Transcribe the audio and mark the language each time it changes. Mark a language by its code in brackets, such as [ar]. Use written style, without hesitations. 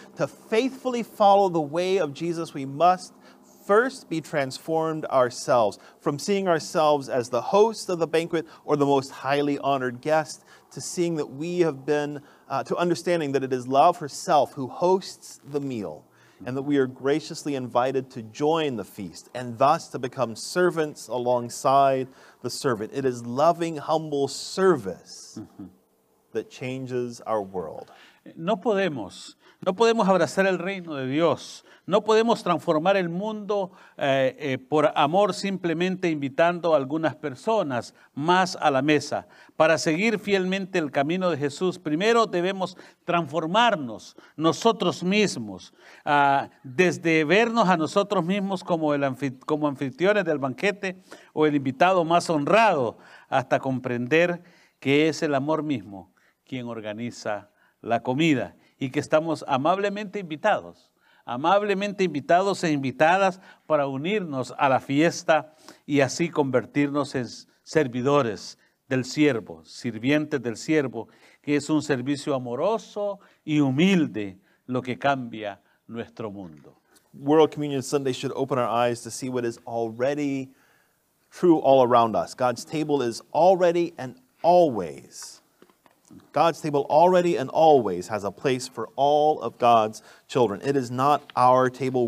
[en] To faithfully follow the way of Jesus, we must first be transformed ourselves, from seeing ourselves as the host of the banquet or the most highly honored guest, to seeing that we have been, to understanding that it is love herself who hosts the meal, and that we are graciously invited to join the feast and thus to become servants alongside the servant. It is loving, humble service that changes our world. [es] No podemos abrazar el reino de Dios. No podemos transformar el mundo por amor simplemente invitando a algunas personas más a la mesa. Para seguir fielmente el camino de Jesús, primero debemos transformarnos nosotros mismos. Desde vernos a nosotros mismos como anfitriones del banquete o el invitado más honrado, hasta comprender que es el amor mismo quien organiza la comida. Y que estamos amablemente invitados e invitadas para unirnos a la fiesta y así convertirnos en servidores del siervo, sirvientes del siervo, que es un servicio amoroso y humilde lo que cambia nuestro mundo. [en] World Communion Sunday should open our eyes to see what is already true all around us. God's table is already and always. God's table already and always has a place for all of God's children. It is not our table.